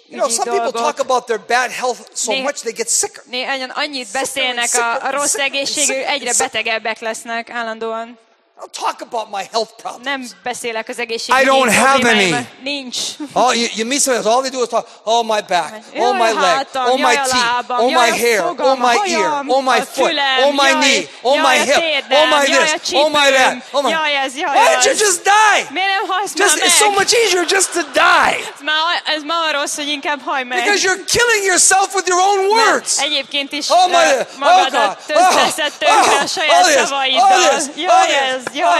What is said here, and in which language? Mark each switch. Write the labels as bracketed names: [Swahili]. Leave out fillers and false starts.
[English] You know, some people talk about their bad health so much they get sicker. [Hungarian] Annyit beszélnek a rossz egészségük, egyre betegebbek lesznek állandóan. [English] I'll talk about my health problems. [Hungarian] Nem beszélek az egészségügyi problémáimról. Nincs. [English] Oh, you meet somebody, all they do is talk, oh my back, oh my leg, oh my teeth, oh my hair, oh my ear, oh my foot, oh my knee, oh my hip, oh my this, oh my that. Oh my. Why don't you just die? Just, it's so much easier just to die. Because you're killing yourself with your own words. [Hungarian] Egyébként is magadat tönkreteszed a saját szavaiddal.